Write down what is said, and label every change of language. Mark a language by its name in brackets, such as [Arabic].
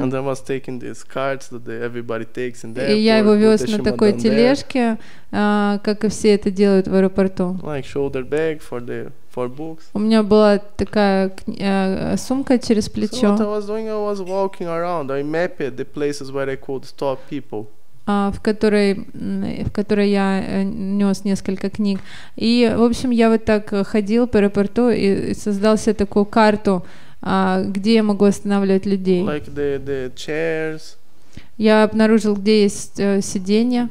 [English] And I was taking these cards that everybody takes in the [Russian] airport. И я его вез на такой тележке, как и все это делают в аэропорту. [English] Like shoulder bag for books. [Russian] У меня была такая сумка через плечо. [English] So what I was doing, I was walking around. I mapped the places where I could stop people. [Russian] В которой я нес несколько книг. И, в общем, я вот так ходил по аэропорту и создал себе такую карту, где я могу останавливать людей. [English] Like the chairs. [Russian] Я обнаружил, где есть сиденья,